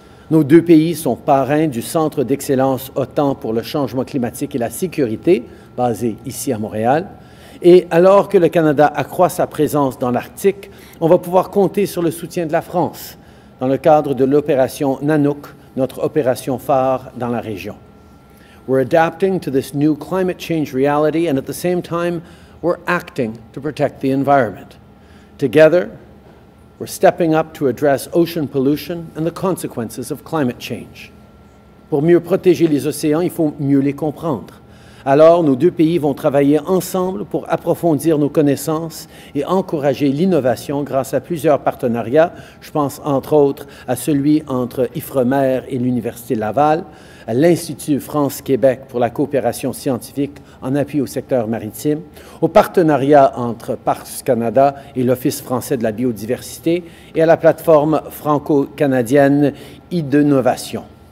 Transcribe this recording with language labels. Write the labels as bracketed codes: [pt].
[fr] Nos deux pays sont parrains du Centre d'excellence OTAN pour le changement climatique et la sécurité, basé ici à Montréal. Et alors que le Canada accroît sa présence dans l'Arctique, on va pouvoir compter sur le soutien de la France dans le cadre de l'opération Nanook, notre opération phare dans la région. [en] We're adapting to this new climate change reality and at the same time, we're acting to protect the environment. Together, we're stepping up to address ocean pollution and the consequences of climate change. [fr] Pour mieux protéger les océans, il faut mieux les comprendre. Alors, nos deux pays vont travailler ensemble pour approfondir nos connaissances et encourager l'innovation grâce à plusieurs partenariats. Je pense entre autres à celui entre IFREMER et l'Université Laval, à l'Institut France-Québec pour la coopération scientifique en appui au secteur maritime, au partenariat entre Parcs Canada et l'Office français de la biodiversité et à la plateforme franco-canadienne IDENOVATION.